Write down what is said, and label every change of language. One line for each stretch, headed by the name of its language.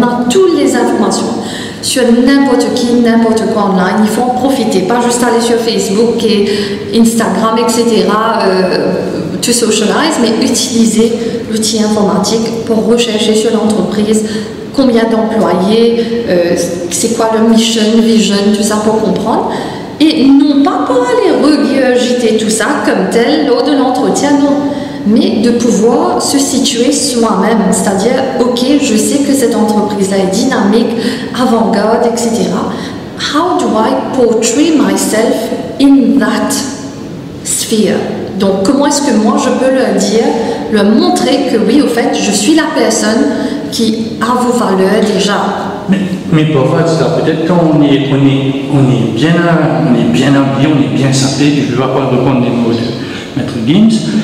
French: On a toutes les informations. Sur n'importe qui, n'importe quoi online, il faut en profiter, pas juste aller sur Facebook et Instagram, etc.,
English: to socialize,
French: mais utiliser l'outil informatique pour rechercher sur l'entreprise combien d'employés, c'est quoi le mission, vision, tout ça pour comprendre. Et non pas pour aller regurgiter tout ça comme tel lors de l'entretien, non. Mais de pouvoir se situer soi-même, c'est-à-dire, ok, je sais que cette entreprise-là est dynamique, avant-garde, etc.
English: How do I portray myself in that sphere?
French: Donc, comment est-ce que moi, je peux leur dire, leur montrer que oui, au fait, je suis la personne qui a vos valeurs déjà? Mais parfois, c'est ça. Peut-être quand on est bien habillé, on est bien sapé, je ne vais pas reprendre les mots de Maître Gims.